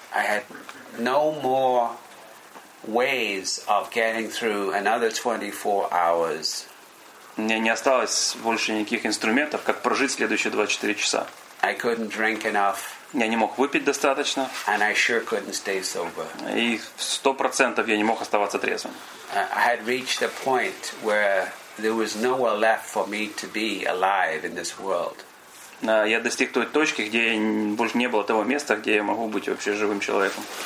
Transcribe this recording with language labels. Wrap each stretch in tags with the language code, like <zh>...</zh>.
<en>I had no more ways of getting through another 24 hours.</en> <ru>У меня не осталось больше никаких инструментов, как прожить следующие 24 часа.</ru> <en>I couldn't drink enough.</en> <ru>Я не мог выпить достаточно.</ru> <en>And I sure couldn't stay sober.</en> <ru>И 100% я не мог оставаться трезвым.</ru> <en>I had reached a point where there was nowhere left for me to be alive in this world.</en> <ru>Я достиг той точки, где больше не было того места, где я могу быть вообще живым человеком.</ru>